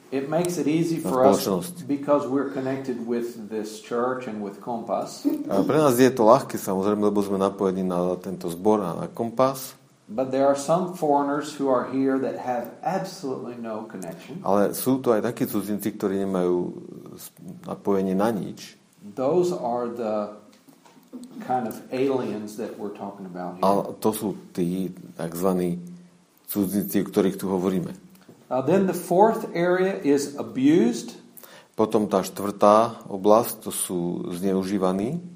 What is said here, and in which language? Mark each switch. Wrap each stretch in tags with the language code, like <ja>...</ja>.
<en>It makes it easy for us because we're connected with this church and with Compass.</en> <sk>A pre nás je to ľahké, samozrejme, lebo sme napojení na tento zbor a na Compass.</sk> <en>But there are some foreigners who are here that have absolutely no connection.</en> <sk>Ale sú to aj takí cudzinci, ktorí nemajú napojenie na nič.</sk> <en>Those are the kind of aliens that we're talking about here.</en> <sk>Ale to sú tí takzvaní cudzinci, o ktorých tu hovoríme.</sk> <en>Then the fourth area is abused.</en> <sk>Potom tá štvrtá oblasť, to sú zneužívaní.</sk>